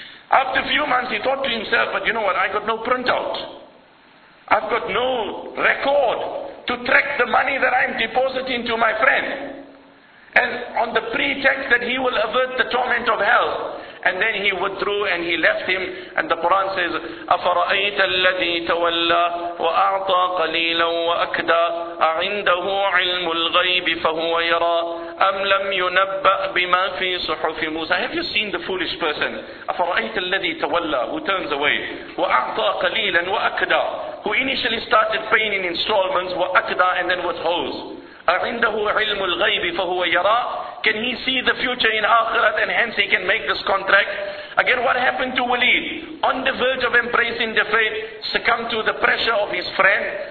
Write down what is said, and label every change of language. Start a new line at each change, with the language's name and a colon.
English: After a few months, he thought to himself, but you know what, I got no printout. I've got no record to track the money that I'm depositing to my friend. And on the pretext that he will avert the torment of hell. And then he withdrew and he left him.
Arabic: And the Quran says, أَفَرَأَيْتَ الَّذِي تَوَلَّى وَأَعْطَى قَلِيلًا وَأَكْدَى أَعِنْدَهُ عِلْمُ الْغَيْبِ فَهُوَ يَرَى أَمْ لَمْ يُنَبَّأْ بِمَا فِي صُحُفِ مُوسَى
English: Have you seen the foolish person?
Arabic: أَفَرَأَيْتَ الَّذِي تَوَلَّى
English: Who turns away.
Arabic: وَأَعْطَى قَلِيلًا وَأَكْدَى
English: Who initially started paying in installments,
Arabic: وَأَكْدَى
English: and then withholds.
Arabic: أَعِنْدَهُ عِلْمُ الْغَيْبِ فَهُوَ يَرَىٰ
English: Can he see the future in Akhirat and hence he can make this contract? Again, what happened to Waleed? On the verge of embracing the faith, succumbed to the pressure of his friend